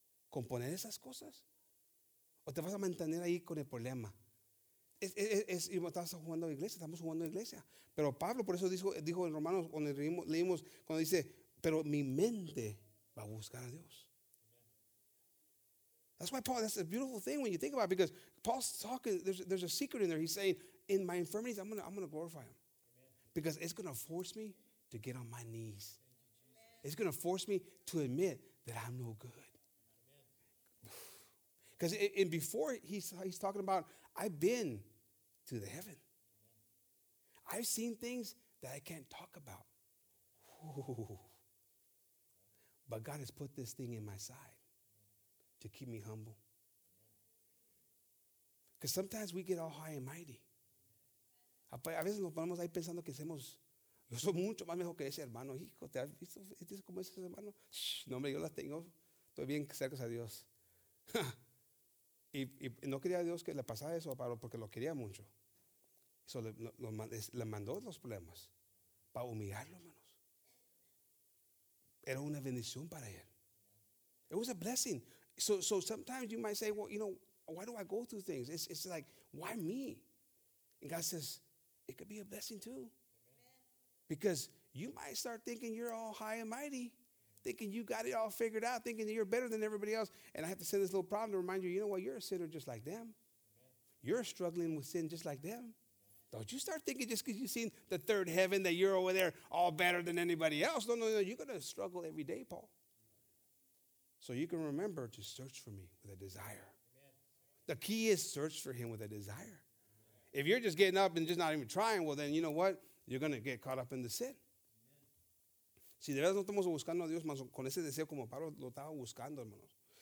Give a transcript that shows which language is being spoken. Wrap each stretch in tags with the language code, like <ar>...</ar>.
<es>¿Componer esas cosas? ¿O te vas a mantener ahí con el problema? Estamos jugando a iglesia. Pero Pablo, por eso dijo en Romanos, cuando leímos, cuando dice, pero mi mente va a buscar a Dios.</es> <en>That's why Paul, that's a beautiful thing when you think about it, because Paul's talking, there's a secret in there. He's saying, in my infirmities, I'm gonna glorify him. Because it's going to force me to get on my knees. It's going to force me to admit that I'm no good. Because in before, he's talking about, I've been to the heaven. I've seen things that I can't talk about. But God has put this thing in my side to keep me humble. Because sometimes we get all high and mighty.</en> <es>A veces nos ponemos ahí pensando que somos, yo soy mucho más mejor que ese hermano. Hijo, ¿te has visto? ¿Es como ese hermano? Shh, no, hombre, yo las tengo. Estoy bien cerca de Dios. Y no quería a Dios que le pasara eso a Pablo porque lo quería mucho. Eso le mandó los problemas para humillarlo, hermanos. Era una bendición para él.</es> <en>It was a blessing. So sometimes you might say, well, you know, why do I go through things? It's like, why me? And God says, it could be a blessing too. Because you might start thinking you're all high and mighty, thinking you got it all figured out, thinking you're better than everybody else. And I have to send this little problem to remind you, you know what, you're a sinner just like them. You're struggling with sin just like them. Don't you start thinking just because you've seen the third heaven that you're over there all better than anybody else. No, you're going to struggle every day, Paul. So you can remember to search for me with a desire. The key is search for him with a desire. If you're just getting up and just not even trying, well, then you know what? You're going to get caught up in the sin.</en> <es>Si de verdad no estamos buscando a Dios, más con ese deseo como Pablo lo estaba buscando, hermanos.</es>